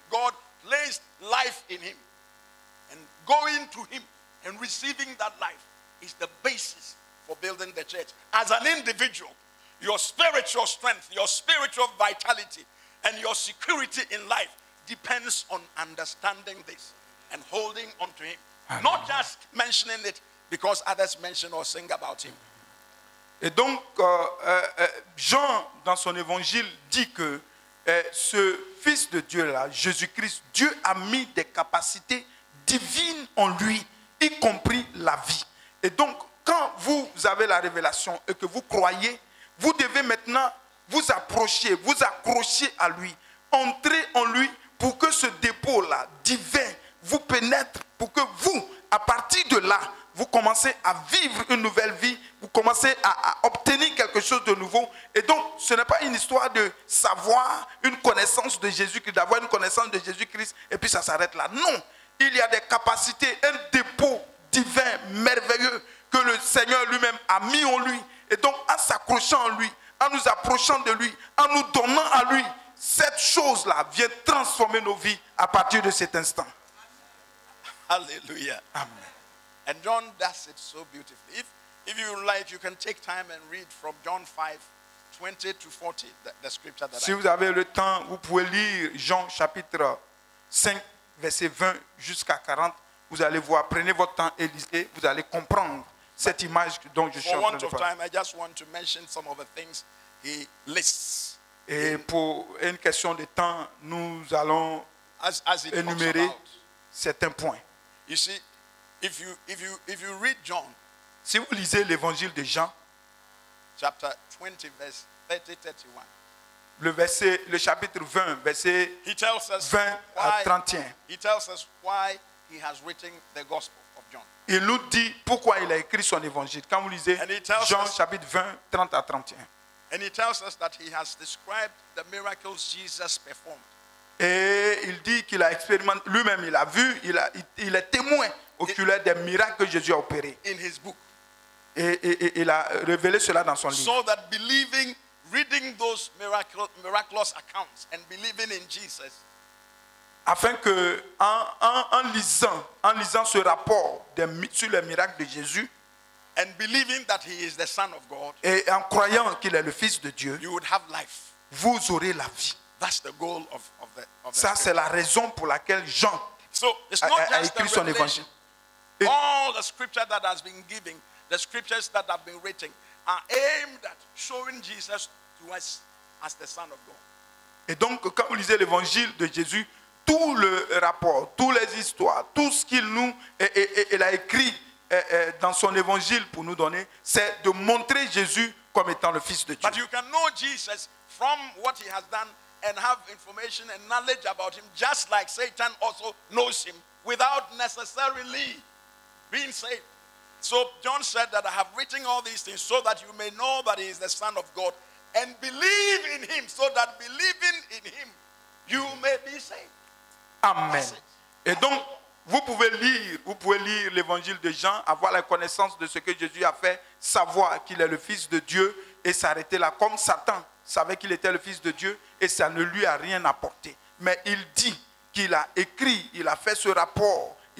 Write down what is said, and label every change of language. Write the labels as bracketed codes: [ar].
[en] God placed life in him, and going to him and receiving that life is the basis for building the church. As an individual, your spiritual strength, your spiritual vitality, and your security in life depends on understanding this and holding on to him. Amen. Not just mentioning it because others mention or sing about him. [fr] Et donc, Jean, dans son évangile, dit que ce fils de Dieu-là, Jésus-Christ, Dieu a mis des capacités divines en lui, y compris la vie. Et donc, quand vous avez la révélation et que vous croyez, vous devez maintenant vous approcher, vous accrocher à lui, entrer en lui pour que ce dépôt-là, divin, vous pénètre, pour que vous, à partir de là, vous commencez à vivre une nouvelle vie, vous commencez à obtenir quelque chose de nouveau. Et donc, ce n'est pas une histoire de savoir une connaissance de Jésus-Christ, d'avoir une connaissance de Jésus-Christ, et puis ça s'arrête là. Non, il y a des capacités, un dépôt divin, merveilleux, que le Seigneur lui-même a mis en lui. Et donc, en s'accrochant à lui, en nous approchant de lui, en nous donnant à lui, cette chose-là vient transformer nos vies à partir de cet instant. Alléluia. Amen. [en] And John does it so beautifully. If you like, you can take time and read from John 5, 20 to 40, the scripture that [fr] si [en] I [fr] vous avez le temps, vous pouvez lire Jean chapitre 5, verset 20 jusqu'à 40. Vous allez voir, prenez votre temps et lisez, vous allez comprendre cette image dont je suis en train de parler. [en] Time, I just want to mention some of the things he lists. [fr] Et pour une question de temps, nous allons énumérer certains points. [en] You see, If you read John, [fr] si vous lisez l'évangile de Jean, [en] chapter 20, verse 30, 31, [fr] le chapitre 20, verset 20 à 31, [en] he tells us why he has written the gospel of John. [fr] Il nous dit pourquoi il a écrit son évangile. Quand vous lisez Jean, chapitre 20, 30 à 31, [en] and he tells us that he has described the miracles Jesus performed. [fr] Et il dit qu'il a expérimenté, lui-même il a vu, il est témoin oculaire des miracles que Jésus a opérés. [en] In his book. [fr] Et il a révélé cela dans son livre. [en] So that believing, reading those miraculous accounts and believing in Jesus. [fr] Afin que en lisant ce rapport sur les miracles de Jésus. [en] And believing that he is the Son of God. [fr] Et en croyant qu'il est le Fils de Dieu. [en] You would have life. [fr] Vous aurez la vie. [en] That's the goal of the [fr] ça scripture. C'est la raison pour laquelle Jean a écrit son évangile. [en] It, all the scripture that has been given, the scriptures that have been written, are aimed at showing Jesus to us as the Son of God. [fr] Et donc, quand vous lisez l'évangile de Jésus, tout le rapport, toutes les histoires, tout ce qu'il nous il a écrit dans son évangile pour nous donner, c'est de montrer Jésus comme étant le Fils de Dieu. [en] But you can know Jesus from what he has done and have information and knowledge about him, just like Satan also knows him, without necessarily being saved. So John said that I have written all these things so that you may know that he is the Son of God and believe in him, so that believing in him, you may be saved. Amen. [fr] Et donc, vous pouvez lire l'évangile de Jean, avoir la connaissance de ce que Jésus a fait, savoir qu'il est le Fils de Dieu et s'arrêter là comme Satan savait qu'il était le Fils de Dieu et ça ne lui a rien apporté. Mais il dit qu'il a écrit, il a fait ce rapport.